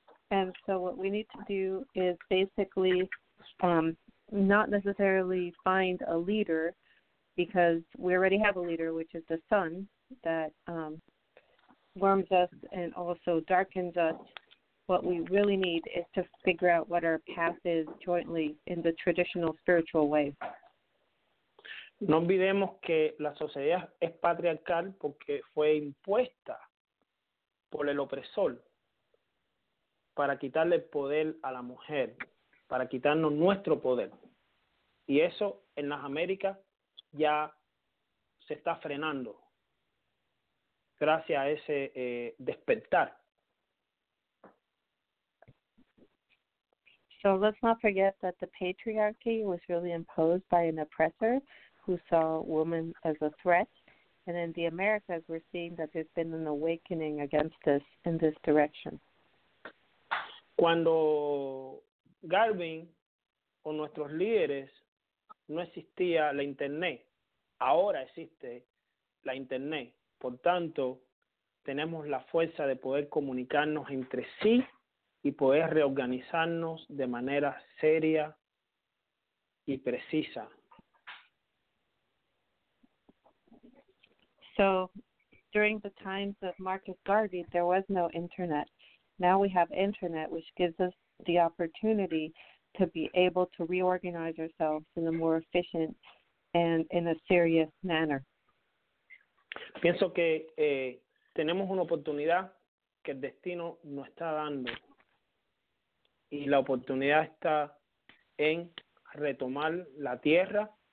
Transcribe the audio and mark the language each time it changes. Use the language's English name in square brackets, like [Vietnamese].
[English] And so what we need to do is basically not necessarily find a leader, because we already have a leader, which is the sun, that warms us and also darkens us. What we really need is to figure out what our path is jointly in the traditional spiritual way. [Spanish] No olvidemos que la sociedad es patriarcal porque fue impuesta por el opresor para quitarle poder a la mujer, para quitarnos nuestro poder. Y eso en las Américas ya se está frenando gracias a ese despertar. [English] So let's not forget that the patriarchy was really imposed by an oppressor who saw women as a threat. And in the Americas, we're seeing that there's been an awakening against this in this direction. [Spanish] Cuando Garvin o nuestros líderes no existía la internet, ahora existe la internet. Por tanto, tenemos la fuerza de poder comunicarnos entre sí y poder reorganizarnos de manera seria y precisa. [English] So, during the times of Marcus Garvey, there was no internet. Now we have internet, which gives us the opportunity to be able to reorganize ourselves in a more efficient and in a serious manner. [Spanish] Pienso que tenemos una oportunidad que el destino nos está dando, y la oportunidad está en retomar la tierra,